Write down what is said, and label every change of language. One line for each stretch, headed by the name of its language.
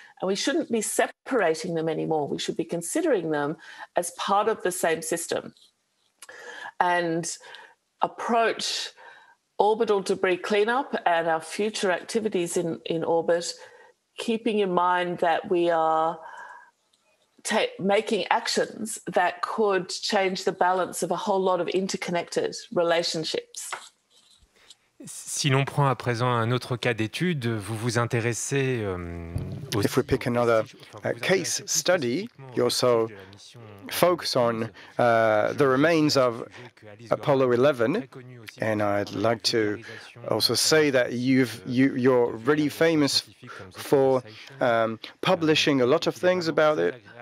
English: And we shouldn't be separating them anymore. We should be considering them as part of the same system and approach orbital debris cleanup and our future activities in orbit, keeping in mind that we are making actions that could change the balance of a whole lot of interconnected relationships.
French: Si l'on prend à présent un autre cas d'étude, vous vous intéressez aussi...
English: If we pick another case study, you also focus on the remains of Apollo 11, and I'd like to also say that you're really famous for publishing a lot of things about it.